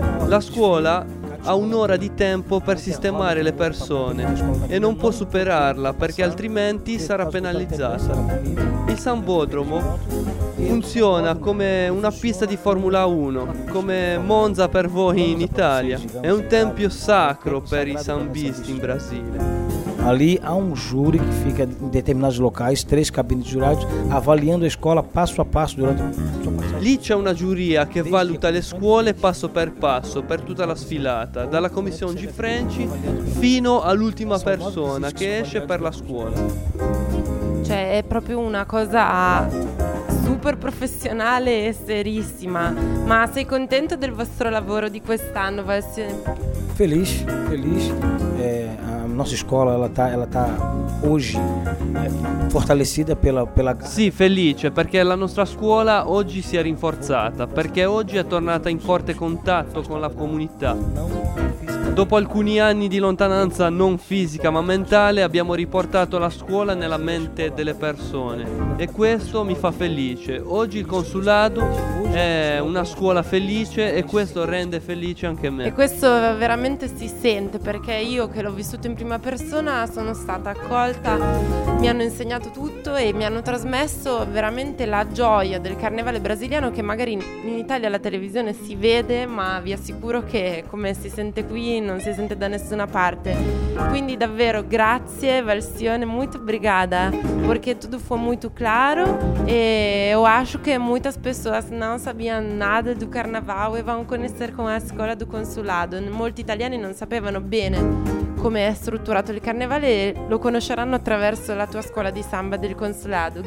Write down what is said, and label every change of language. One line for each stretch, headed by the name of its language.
Italian: La scuola ha un'ora di tempo per sistemare le persone e non può superarla, perché altrimenti sarà penalizzata. Il Sambodromo funziona come una pista di Formula 1, come Monza per voi in Italia. È un tempio sacro per i sambisti in Brasile.
Portuguese: Ali há um júri que fica em determinados locais, três cabines de jurados, avaliando a escola passo a passo durante.
Italian: Lì c'è una giuria che valuta le scuole passo per passo per tutta la sfilata, dalla commissione Gifrenci fino all'ultima persona che esce per la scuola. Cioè è proprio una cosa super professionale e serissima. Ma sei contento del vostro lavoro di quest'anno, Valsio? Felice.
Portuguese: Nossa escola ela tá hoje fortalecida pela
Italian: Sì, felice, perché la nostra scuola oggi si è rinforzata, perché oggi è tornata in forte contatto con la comunità. Dopo alcuni anni di lontananza non fisica ma mentale, abbiamo riportato la scuola nella mente delle persone, e questo mi fa felice. Oggi il consulato è una scuola felice e questo rende felice anche me. E questo veramente si sente, perché io che l'ho vissuto in prima persona sono stata accolta, mi hanno insegnato tutto e mi hanno trasmesso veramente la gioia del carnevale brasiliano, che magari in Italia la televisione si vede, ma vi assicuro che come si sente qui non si sente da nessuna parte. Quindi davvero grazie Valsione,
Portuguese: muito obrigada,
Italian: perché tutto fu molto chiaro,
Portuguese: e eu acho que muitas pessoas não sabiam nada do carnaval e vão conhecer com a escola do consulado.
Italian: Molti italiani non sapevano bene come è strutturato il carnevale, lo conosceranno attraverso la tua scuola di samba del consulato.